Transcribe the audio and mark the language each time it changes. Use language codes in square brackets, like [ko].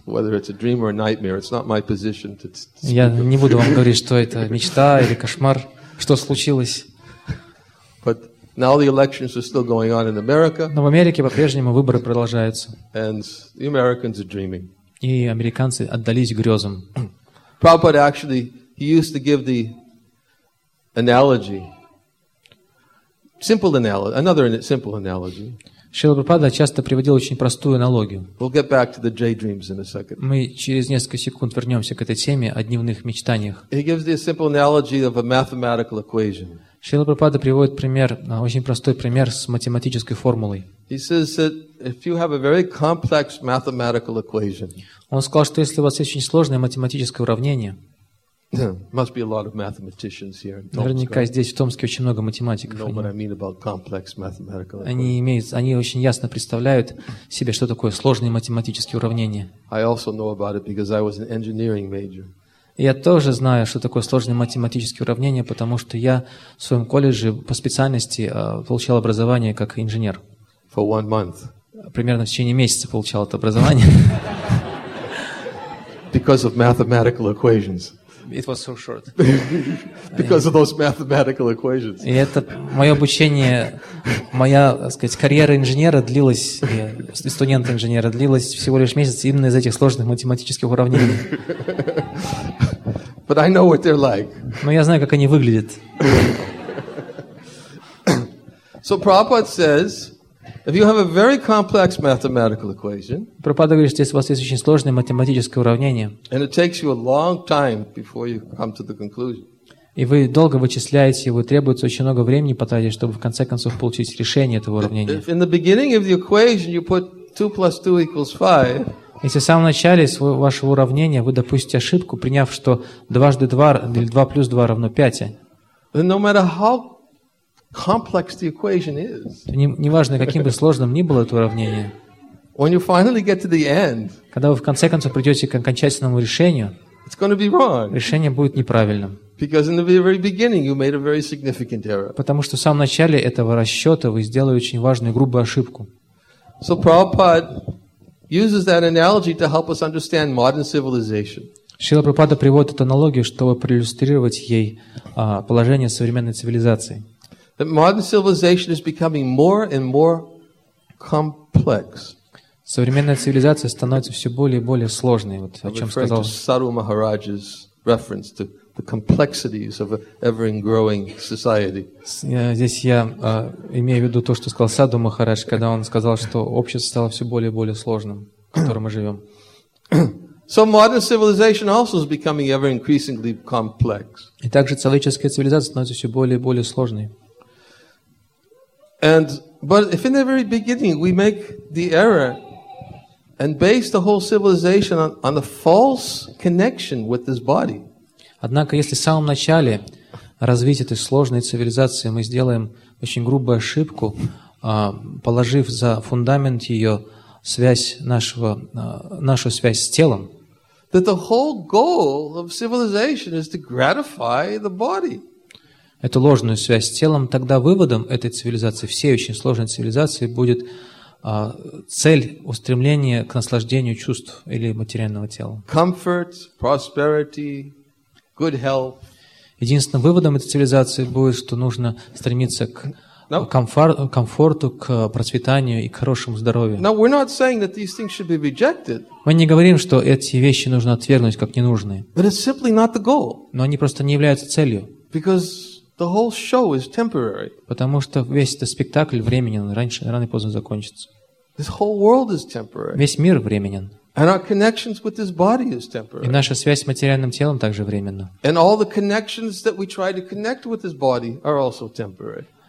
[en] Whether it's a dream or a nightmare, it's not my position to speak of. [ru] Я не буду вам говорить, что это мечта или кошмар, что случилось. [en] But now the elections are still going on in America. [ru] Но в Америке по-прежнему выборы продолжаются. [en] And the Americans are dreaming. [ru] И американцы отдались грезам. [en] Prabhupada actually, he used to give the analogy, simple analogy, another simple analogy. [ru] Шрила Прабхупада часто приводил очень простую аналогию. [en] We'll get back to the daydreams in a second. [ru] Мы через несколько секунд вернемся к этой теме о дневных мечтаниях. [en] He gives the simple analogy of a mathematical equation. [ru] Шрила Прабхупада приводит пример, очень простой пример с математической формулой. [en] He says that if you have a very complex mathematical equation. [ru] Он сказал, что если у вас есть очень сложное математическое уравнение. [en] Must be a lot of mathematicians here in Tomsk. [ru] Наверняка здесь в Томске очень много математиков. [en] Know what I mean about complex mathematical equations. [ru] Они очень ясно представляют себе, что такое сложные математические уравнения. [en] I also know about it because I was an engineering major. [ru] Я тоже знаю, что такое сложные математические уравнения, потому что я в своем колледже по специальности получал образование как инженер. [en] For one month. [ru] Примерно в течение месяца получал это образование. [en] Because of mathematical equations. It was so short. Because of those mathematical equations. [ru] И это мое обучение, моя, так сказать, карьера инженера длилась, студента инженера длилась всего лишь месяц именно из этих сложных математических уравнений. [en] But I know what they're like. [ru] Но я знаю, как они выглядят. [en] So Prabhupada says, if you have a very complex mathematical equation, [ru] Прабхупада говорит, что если у вас есть очень сложное математическое уравнение, [en] and it takes you a long time before you come to the conclusion, [ru] и вы долго вычисляете его, требуется очень много времени потратить, чтобы в конце концов получить решение этого уравнения. [en] If in the beginning of the equation you put 2 plus 2 equals 5, [ru] если в самом начале вашего уравнения вы допустите ошибку, приняв, что 2 2 или 2 плюс 2 равно 5, [en] then no matter how complex the equation is. [ru] Неважно, каким бы сложным ни было это уравнение. [en] When you finally get to the end, [ru] когда вы в конце концов придете к окончательному решению, [en] it's going to be wrong. [ru] Решение будет неправильным. [en] Because in the very beginning you made a very significant error. [ru] Потому что в самом начале этого расчета вы сделали очень важную грубую ошибку. [en] So Prabhupada uses that analogy to help us understand modern civilization. [ru] Шрила Прабхупада приводит эту аналогию, чтобы проиллюстрировать ей положение современной цивилизации. [en] That modern civilization is becoming more and more complex. [ru] Современная цивилизация становится все более и более сложной. Вот о чем сказал [en] Сару Махараджа's reference to the complexities of an ever-growing society. [ru] Здесь я имею в виду то, что сказал Сару Махарадж, когда он сказал, что общество стало все более и более сложным, в котором мы живем. [en] So modern civilization also is becoming ever increasingly complex. [ru] И также человеческая цивилизация становится все более и более сложной. [en] But if in the very beginning we make the error and base the whole civilization on a false connection with this body. [ru] Однако, если в самом начале развития этой сложной цивилизации мы сделаем очень грубую ошибку, положив за фундамент ее связь нашу связь с телом. [en] That the whole goal of civilization is to gratify the body. [ru] Эту ложную связь с телом, тогда выводом этой цивилизации, всей очень сложной цивилизации, будет цель устремления к наслаждению чувств или материального тела. [en] Comfort, prosperity, good health. [ru] Единственным выводом этой цивилизации будет, что нужно стремиться к комфорту, к процветанию и к хорошему здоровью. [en] Now, we're not saying that these things should be rejected. [ru] Мы не говорим, что эти вещи нужно отвергнуть как ненужные. [en] But it's simply not the goal. [ru] Но они просто не являются целью. [en] Because the whole show is temporary. [ru] Потому что весь этот спектакль временен, раньше рано или поздно закончится. [en] This whole world is temporary. [ru] Весь мир временен. [en] And our connections with this body is temporary. [ru] И наша связь с материальным телом также временна. [en] And all the connections that we try to connect with this body are also temporary.